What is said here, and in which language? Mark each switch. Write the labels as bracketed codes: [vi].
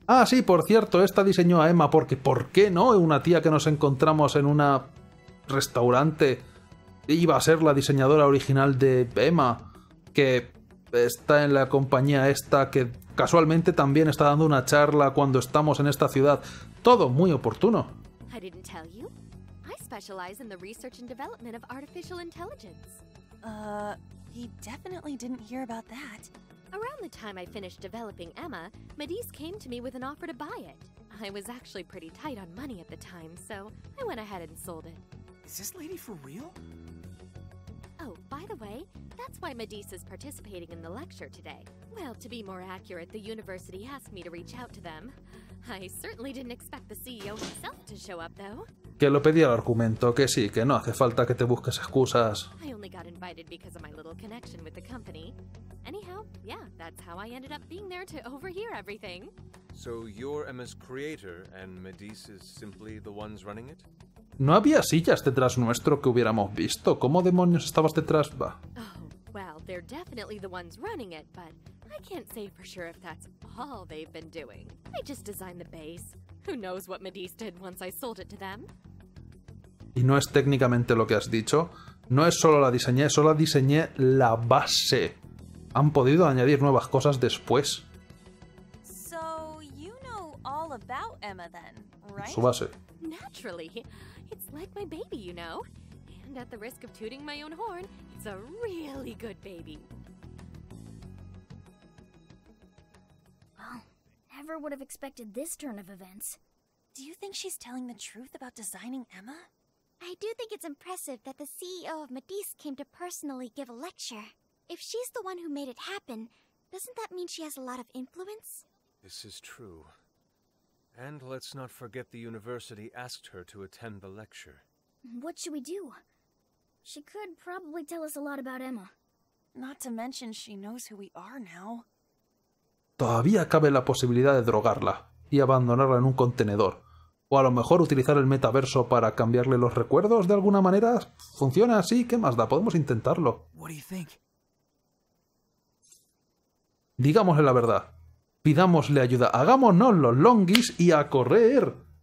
[es] Ah, sí, por cierto, esta diseñó a Emma porque, ¿por qué no? Una tía que nos encontramos en una restaurante iba a ser la diseñadora original de Emma, que está en la compañía esta, que casualmente también está dando una charla cuando estamos en esta ciudad. Todo muy oportuno. [en] I didn't tell you. I specialize in the research and development of artificial intelligence. He definitely didn't hear about that. Around the time I finished developing Emma, Medis came to me with an offer to buy it. I was actually pretty tight on money at the time, so I went ahead and sold it. Is this lady for real? Oh, by the way, that's why Medis is participating in the lecture today. Well, to be more accurate, the university asked me to reach out to them. I certainly didn't expect the CEO himself to show up, though. [es] Que lo pedí al argumento, que sí, que no hace falta que te busques excusas. [en] I only got invited because of my little connection with the company. Anyhow, yeah, that's how I ended up being there to overhear everything. So you're Emma's creator and Medis is simply the ones running it? [es] No había sillas detrás nuestro que hubiéramos visto. ¿Cómo demonios estabas detrás? Va. [en] Oh, well, they're definitely the ones running it, but I can't say for sure if that's all they've been doing. I just designed the base. Who knows what Medis did once I sold it to them? [es] Y no es técnicamente lo que has dicho. no es solo la diseñé, solo diseñé la base. Han podido añadir nuevas cosas después. [en] So you know all about Emma then, right? [es] Su base. [en] Naturally. It's like my baby, you know. And at the risk of tooting my own horn, it's a really good baby. Well, never would have expected this turn of events. Do you think she's telling the truth about designing Emma? I do think it's impressive that the CEO of Medice came to personally give a lecture. If she's the one who made it happen, doesn't that mean she has a lot of influence? This is true. And let's not forget the university asked her to attend the lecture. What should we do? She could probably tell us a lot about Emma. Not to mention she knows who we are now. [es] Todavía cabe la posibilidad de drogarla y abandonarla en un contenedor. O a lo mejor utilizar el metaverso para cambiarle los recuerdos de alguna manera. Funciona así, ¿qué más da? Podemos intentarlo. [en] What do you think? [es] Digámosle la verdad. Pidámosle ayuda. Hagámonos los longis y a correr.